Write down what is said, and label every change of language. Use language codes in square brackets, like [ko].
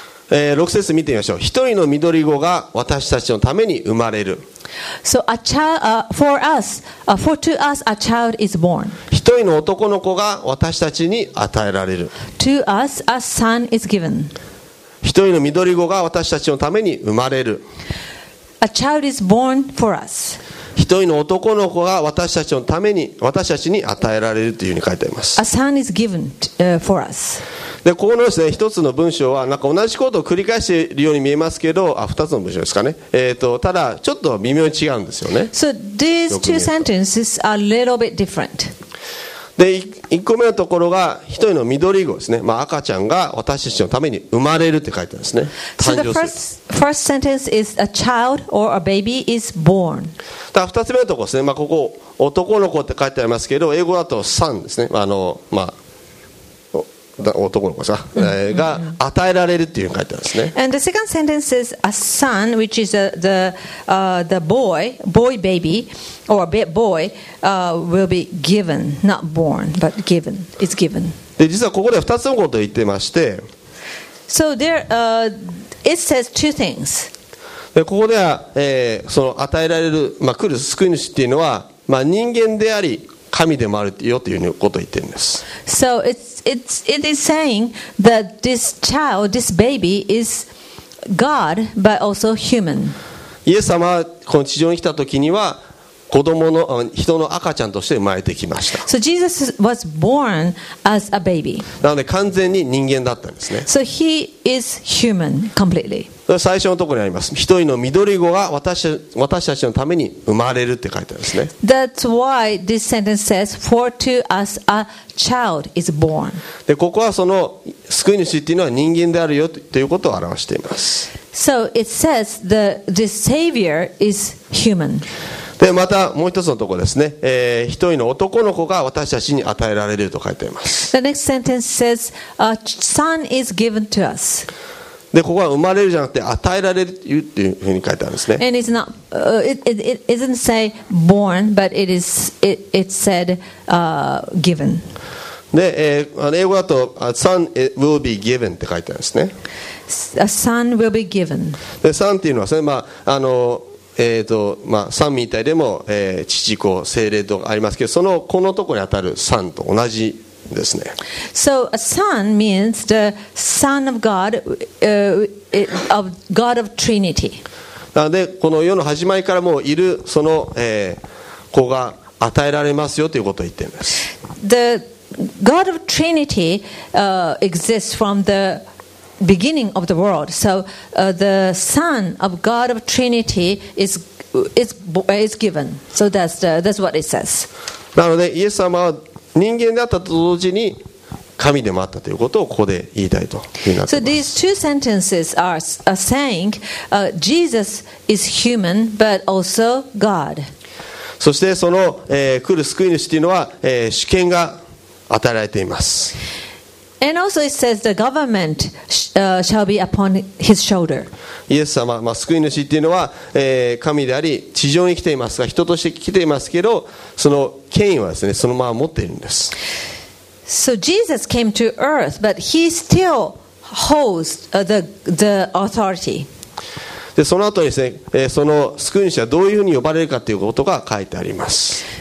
[ja] 6節見てみましょう。一人の緑子が私たちのために生まれる。 [en] So a child for to us a child is born. [ja] 一人の男の子が私たちに与えられる。 [en] To us a son is given. [ja] 一人の緑子が私たちのために生まれる。 [en] A child is born for us. [ja] 一人の男の子が私たちのために私たちに与えられるというふうに書いてあります。 [en] A son is given for us. [ja] で、ここのですね、一つの文章はなんか同じことを繰り返しているように見えますけど、あ、二つの文章ですかね。ただちょっと微妙に違うんですよね。 [en] So these two sentences are a little bit different. [ja] で、一個目のところが一人の緑子ですね。まあ、赤ちゃんが私たちのために生まれるって書いてあるんですね。誕生する。 [en] So the first sentence is a child or a baby is born. [ja] 二つ目のところですね、まあ、ここ男の子って書いてありますけど、英語だと son ですね、まあ、男の子さ、が与えられるっていうふうに書いてあるんですね。 [en] And the second sentence is a son, which is the boy baby or a boy will be given, not born, but given, is given. [ja] で、実はここで二つのことを言ってまして、 [en] So there It says two things. [ja] でここでは、その与えられる、まあ、来る救い主っていうのは、まあ、人間であり神でもあるよっていうことを言ってるんです。 [en] So it is saying that this child, this baby is God, but also human. [ja] イエス様はこの地上に来た時には子供の人の赤ちゃんとして生まれてきました。 [en] So Jesus was born as a baby. [ja] なので完全に人間だったんですね。 [en] So he is human completely. [ja] 最初のところにあります。一人の緑子が私たちのために生まれるって書いてあるんですね。 [en] That's why this sentence says, "For to us a child is born." [ja] で、ここはその救い主っていうのは人間であるよということを表しています。 [en] So it says the Savior is human. [ja] でまたもう一つのところですね、一人の男の子が私たちに与えられると書いています。 [en] The next sentence says a son is given to us。 [ja] でここは生まれるじゃなくて与えられるっていうふうに書いてあるんですね。 [en] And it's not, it doesn't say born, but it is, it said given。 [ja] で、英語だと [en] a son will be given [ja] って書いてあるんですね。 [en] A son will be given。 [ja] で、son っていうのはですね、まあ、あの、まあ、三位一体でも、父子聖霊とありますけど、そのこのところに当たる三と同じですね。 [en] So a son means the son of God、of God of Trinity。 [ja] なのでこの世の始まりからもういるその、子が与えられますよということを言っています。 [en] The God of Trinity、exists from theBeginning of the world, so、the Son of God of Trinity is given. So that's what it says. [ja] なので、イエス様は人間であったと同時に神でもあったということをここで言いたいというふうになっています [en] 。 So these two sentences are saying、Jesus is human but also God. [ja] そしてその、来る救い主というのは、主権が与えられています。 [en] And also it says the government shall be upon his shoulder. [ja] イエス様、まあ、救い主っていうのは、神であり地上に来ていますが、人として来ていますけど、その権威はですね、そのまま持っているんです。 [en] So Jesus came to earth, but he still holds the authority. [ja] で、その後にですね、その救い主はどういうふうに呼ばれるかということが書いてあります。